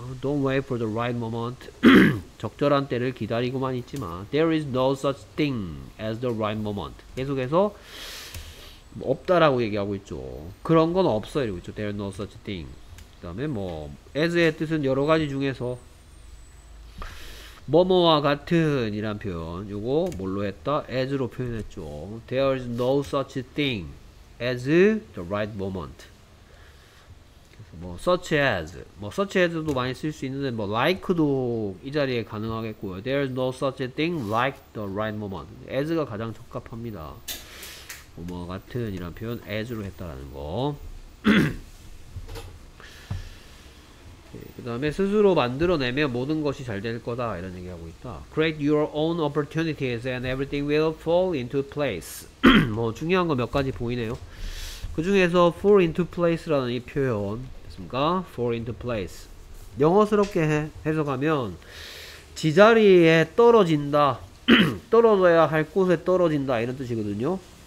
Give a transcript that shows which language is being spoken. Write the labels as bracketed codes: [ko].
[en] Don't wait for the right moment. [ko] 적절한 때를 기다리고만 있지만, [en] There is no such thing as the right moment. [ko] 계속해서 없다라고 얘기하고 있죠. 그런 건 없어 이러고 있죠. [en] There is no such thing. [ko] 그다음에 뭐 as의 뜻은 여러 가지 중에서 뭐뭐와 같은 이란 표현, 요거 뭘로 했다? as로 표현했죠. [en] There is no such thing as the right moment. [ko] 뭐 such as, 뭐 such as도 많이 쓸수 있는데 뭐 like도 이 자리에 가능하겠고요. [en] There is no such thing like the right moment. [ko] as가 가장 적합합니다. 뭐뭐와 같은 이란 표현 as로 했다라는 거. 그 다음에 스스로 만들어내면 모든 것이 잘될 거다 이런 얘기하고 있다. [en] Create your own opportunities and everything will fall into place. [ko] 뭐 중요한 거몇 가지 보이네요. 그 중에서 fall into place라는 이 표현 됐습니까? fall into place. 영어스럽게 해석하면 지자리에 떨어진다. 떨어져야 할 곳에 떨어진다 이런 뜻이거든요.